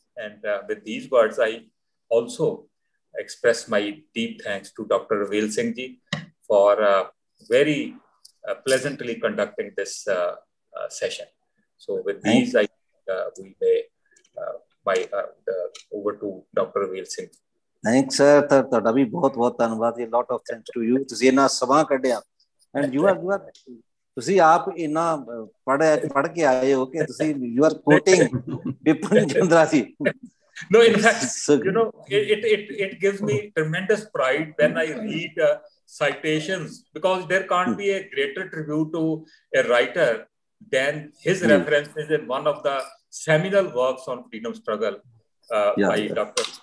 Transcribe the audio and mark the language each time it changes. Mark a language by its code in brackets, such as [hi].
[en] And with these words, I also express my deep thanks to Dr. Rawail Singh ji for very pleasantly conducting this session. So with these, I we may by over to Dr. Rawail Singh. Thanks, sir. [pa] ਤੁਹਾਡਾ ਵੀ ਬਹੁਤ ਬਹੁਤ ਧੰਨਵਾਦ ਜੀ. [en] Lot of thanks to you. [pa] ਤੁਸੀਂ ਇੰਨਾ ਸਮਾਂ ਕੱਢਿਆ [en] and you are [pa] ਤੁਸੀਂ ਆਪ ਇੰਨਾ ਪੜ੍ਹ ਕੇ ਆਏ ਹੋ ਕਿ ਤੁਸੀਂ [en] you are quoting [pa] ਵਿਪਨ ਚੰਦਰਾ ਜੀ. [en] No, in fact, you know, it gives me tremendous pride when I read citations, because there can't be a greater tribute to a writer than his references in one of the seminal works on freedom struggle. By Dr.